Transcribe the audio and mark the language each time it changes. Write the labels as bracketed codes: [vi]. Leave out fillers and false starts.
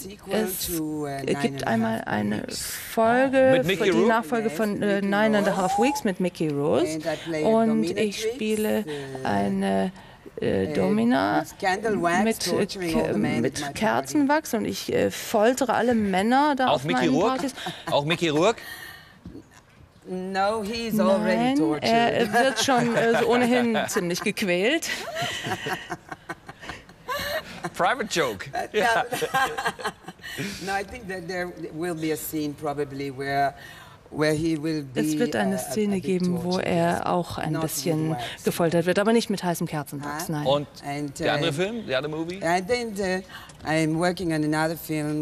[de] Es gibt einmal eine Folge für die Nachfolge von Nine and a Half Weeks mit Mickey Rose und ich spiele eine Domina mit Kerzenwachs und ich foltere alle Männer da auf meinen Partys. Auch Mickey Rourke? [en] No, he's already tortured. [de] Er wird schon ohnehin ziemlich gequält. [en] Private joke. No, I think that there will be a scene probably where he will be. [de] Es wird eine Szene geben, wo er auch ein bisschen gefoltert wird, aber nicht mit heißem Kerzenwachs, nein. Und der andere Film, [en] the other movie? I think I'm working on another film.